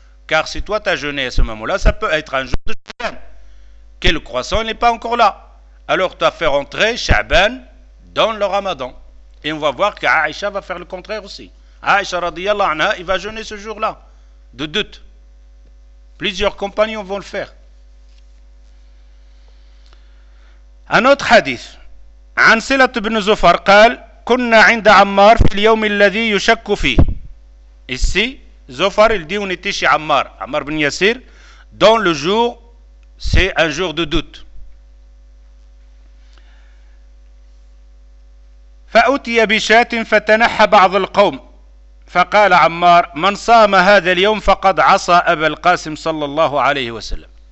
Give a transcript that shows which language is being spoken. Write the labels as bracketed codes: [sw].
[fr] Car si toi t'as jeûné à ce moment-là, ça peut être un jour de Sha'ban. Quel croissant n'est pas encore là. Alors tu as fait rentrer Sha'ban dans le Ramadan. Et on va voir qu'Aïcha va faire le contraire aussi. Aïcha radiyallahu anha, il va jeûner ce jour-là, de doute. Plusieurs compagnons vont le faire. Un autre hadith. [ar] An Silat ibn Zufar qal, كنا عند عمار في اليوم الذي يشك فيه. [fr] Ici, Zofar, il dit, on était chez Ammar, Ammar ibn Yasir, dans le jour, c'est un jour de doute. [ar] فأتي بشاة فتنحى بعض القوم. فقال عمار, من صام هذا اليوم فقد عصى أبا القاسم صلى الله عليه وسلم.